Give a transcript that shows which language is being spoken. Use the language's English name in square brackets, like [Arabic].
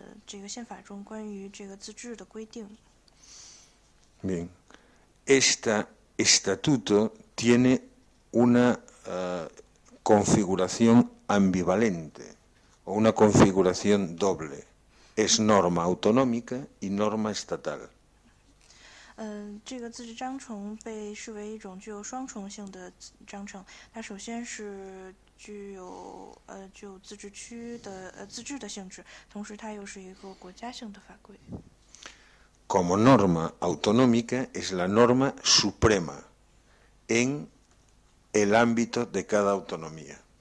[Chinese] 需要了解这些自治章程，那么我们就必须要了解这个宪法中关于这个自治的规定。 [Spanish] Bien, este estatuto tiene una configuración ambivalente o una configuración doble. Es norma autonómica y norma estatal. [Chinese] 这个自治章程被视为一种具有双重性的章程，它首先是具有自治区的自治的性质，同时它又是一个国家性的法规。 [Spanish] Como norma autonómica es la norma suprema en el ámbito de cada autonomía.